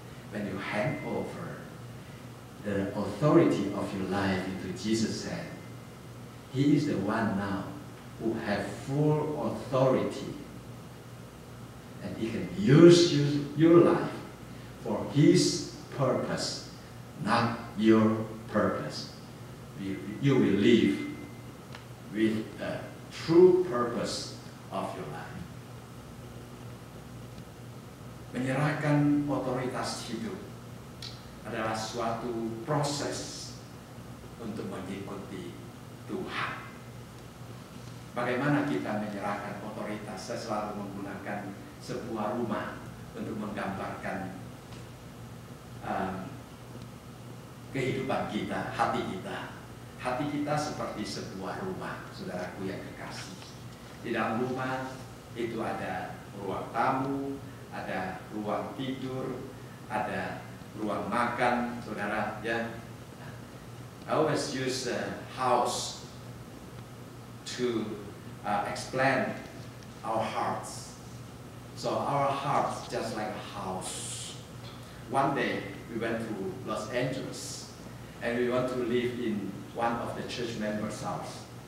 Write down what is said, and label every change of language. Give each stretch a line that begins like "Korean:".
English: When you hand over the authority of your life into Jesus' hand, he is the one now who has full authority, and he can use your life for his purpose, not your purpose. You will live with a true purpose of your life.
Indonesian: Menyerahkan otoritas hidup adalah suatu proses untuk mengikuti Tuhan. Bagaimana kita menyerahkan otoritas? Saya selalu menggunakan sebuah rumah untuk menggambarkan kehidupan kita, hati kita. Hati kita seperti sebuah rumah, saudaraku yang kekasih. Di dalam rumah itu ada ruang tamu, ada ruang tidur, ada ruang makan, saudara.
English: Ya, I always use a house to explain our hearts. So our hearts just like a house. One day we went to Los Angeles, and we want to live in one of the church members' house.